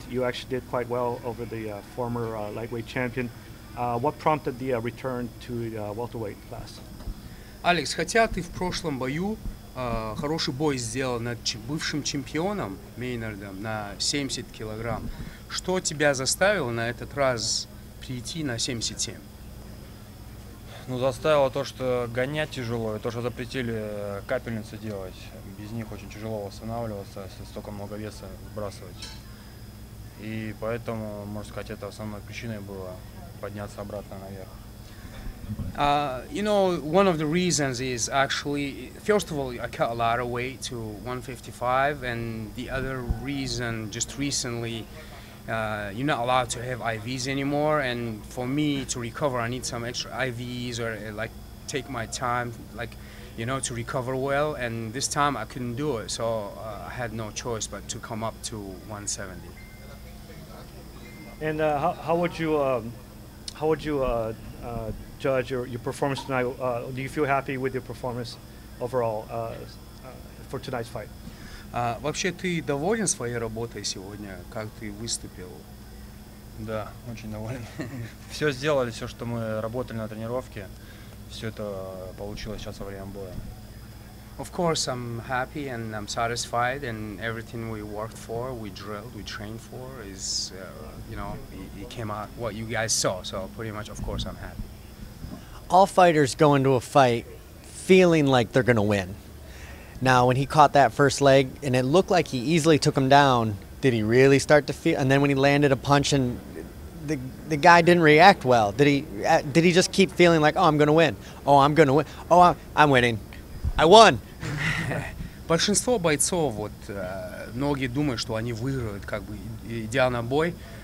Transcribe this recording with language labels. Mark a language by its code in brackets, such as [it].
[en] You actually did quite well over the former lightweight champion. What prompted the return to the welterweight class? [ru] Алекс, хотя ты в прошлом бою хороший бой сделал над бывшим чемпионом Мейнардом на 70 килограмм, что тебя заставило на этот раз прийти на 77? Ну, заставило то, что гонять тяжело, и то, что запретили капельницы делать. Без них очень тяжело восстанавливаться, если столько много веса сбрасывать. И поэтому, можно сказать, это основной причиной было подняться обратно наверх. [en] You know, one of the reasons is actually, first of all, I cut a lot of weight to 155, and the other reason, just recently, you're not allowed to have IVs anymore, and for me to recover, I need some extra IVs or like take my time, like, you know, to recover well, and this time I couldn't do it, so I had no choice but to come up to 170. And how would you judge your performance tonight? Do you feel happy with your performance overall for tonight's fight? [ru] Вообще, ты доволен своей работой сегодня? Как ты выступил? Да, очень доволен. Все сделали, все, что мы работали на тренировке, все это получилось сейчас во время боя. [en] Of course, I'm happy and I'm satisfied, and everything we worked for, we drilled, we trained for, is, you know, it came out what you guys saw. So pretty much, of course, I'm happy. All fighters go into a fight feeling like they're going to win. Now, when he caught that first leg, and it looked like he easily took him down, did he really start to feel? And then when he landed a punch and the guy didn't react well, did he just keep feeling like, oh, I'm going to win. Oh, I'm going to win. Oh, I'm winning. I won. [ru] Большинство бойцов, вот, многие думают, что они выиграют, как бы, идя на бой.